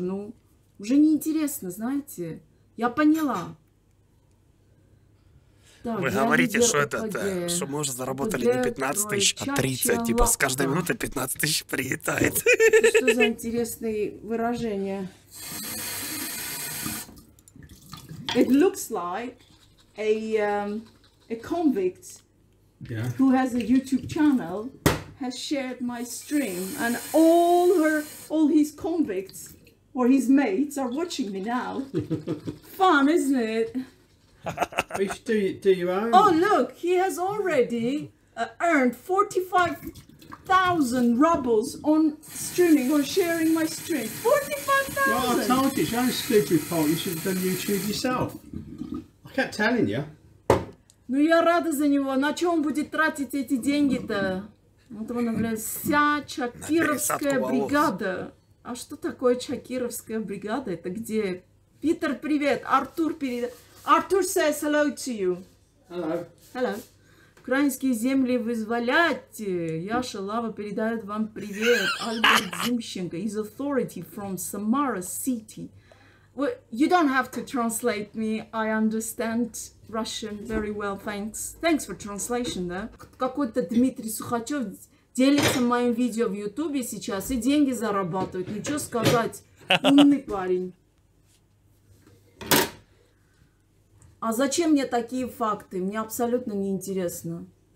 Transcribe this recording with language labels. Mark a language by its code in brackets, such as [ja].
[ru] Ну, уже неинтересно, знаете? Я поняла. Так, вы говорите, что это, что мы уже заработали не 15 тысяч, а 30. Типа с каждой минуты 15 тысяч прилетает. Что за интересные выражения? [en] It looks like a convict who has a YouTube channel has shared my stream and all his convicts or his mates are watching me now. Fun, isn't it? Which do you own? Oh, look, he has already earned 45,000 rubles on streaming or sharing my stream. 45,000! Well, I told you, you're a stupid fool. You should have done YouTube yourself. I kept telling you. [ru] Ну, я рада за него. На чем он будет тратить эти деньги-то? Вот он, блядь, вся Чакировская бригада. А что такое Чакировская бригада? Это где? Питер, привет. Артур, передай. [en] Артур says hello to you. Hello. Hello. [ru] Украинские земли вызволяйте. Яша Лава передает вам привет. [en] Альберт Зимченко is authority from Samara City. Well, you don't have to translate me. I understand Russian very well. Thanks. Thanks for translation, да? [ru] Какой-то Дмитрий Сухачев делится моим видео в Ютубе сейчас и деньги зарабатывает. Ну, что сказать? Умный парень. А зачем мне такие факты? Мне абсолютно неинтересно.